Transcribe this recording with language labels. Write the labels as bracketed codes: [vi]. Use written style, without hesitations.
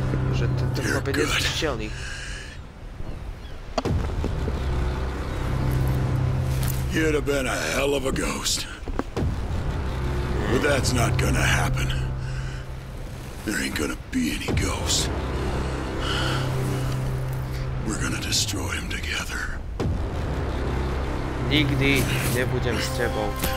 [sk] Bože, tento chlapec je nezničiteľný. [en] You'd have been a hell of a ghost. But that's not gonna happen. There ain't gonna be any ghosts. We're gonna destroy him together. [pl] Nigdy nie będziemy z tobą.